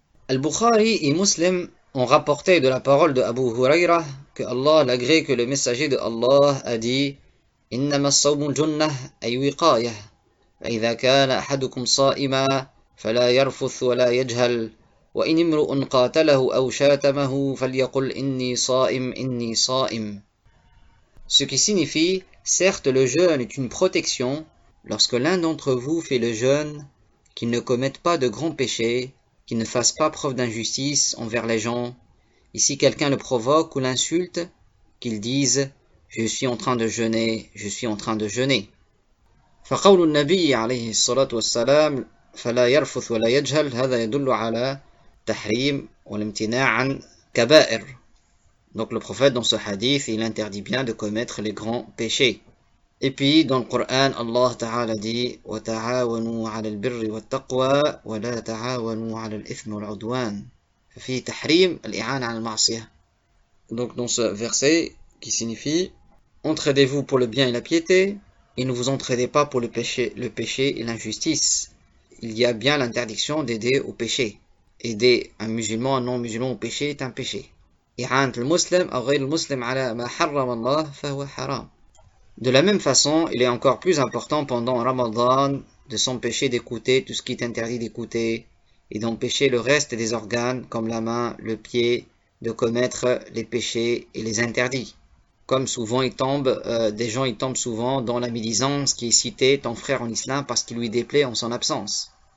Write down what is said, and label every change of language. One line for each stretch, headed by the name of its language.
Arabic: البخاري ومسلم
French: ont rapporté de la parole de Abu Huraira que Allah l'agré que le messager de Allah a dit
Arabic: إنما الصوم الجنة أي وقاية فإذا كان أحدكم صائما فلا يرفث ولا يجهل وإن امرؤ قاتله أو شاتمه فليقل إني صائم إني صائم.
French: Ce qui signifie, certes le jeûne est une protection lorsque l'un d'entre vous fait le jeûne, qu'il ne commette pas de grands péchés, qu'il ne fasse pas preuve d'injustice envers les gens, Ici, quelqu'un le provoque ou l'insulte, qu'il dise je suis en train de jeûner, je suis en train de jeûner.
Arabic: فقول النبي عليه الصلاة والسلام فلا يرفث ولا يجهل هذا يدل على تحريم والامتناع عن كبائر.
French: Donc le prophète dans ce hadith, il interdit bien de commettre les grands péchés. Et puis dans le Coran, Allah Ta'ala dit
Arabic: وتعاونوا على البر والتقوى ولا تعاونوا على الإثم والعدوان. ففي تحريم الإعانة على المعصية.
French: Donc dans ce verset qui signifie entraidez-vous pour le bien et la piété. Et ne vous entraidez pas pour le péché et l'injustice. Il y a bien l'interdiction d'aider au péché. Aider un musulman, un non-musulman au péché est un péché.
Arabic: إعانة المسلم أو غير المسلم على ما حرم الله فهو حرام.
French: De la même façon, il est encore plus important pendant Ramadan de s'empêcher d'écouter tout ce qui est interdit d'écouter et d'empêcher le reste des organes, comme la main, le pied, de commettre les péchés et les interdits. Comme souvent, ils tombent souvent dans la médisance qui est citée ton frère en islam parce qu'il lui déplaît en son absence.